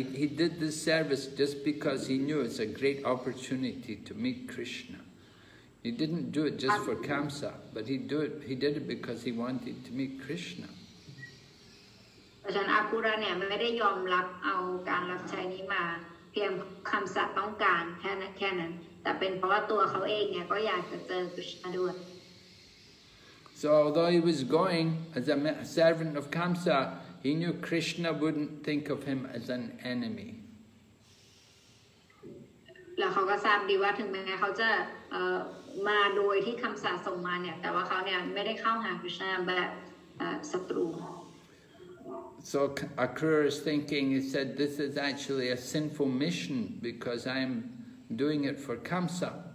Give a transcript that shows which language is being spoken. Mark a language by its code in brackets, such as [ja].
[en] He did this service just because he knew it's a great opportunity to meet Krishna. He didn't do it just for Kamsa, but he did it because he wanted to meet Krishna. [th] พระชาติอาคูระเนี่ยไม่ได้ยอมรับเอาการรับใช้นี้มาเพียงคำสัตย์ต้องการแค่นั้นแต่เป็นเพราะว่าตัวเขาเองเนี่ยก็อยากจะเจอคริชนาด้วย [en] So although he was going as a servant of Kamsa, he knew Krishna wouldn't think of him as an enemy. [th] แล้วเขาก็ทราบดีว่าถึงแม้เขาจะมาโดยที่คำสาส่งมาเนี่ยแต่ว่าเขาเนี่ยไม่ได้เข้าหาคริชนาแบบศัตรู [en] So Akrura is thinking. He said, "This is actually a sinful mission because I'm." Doing it for Kamsa.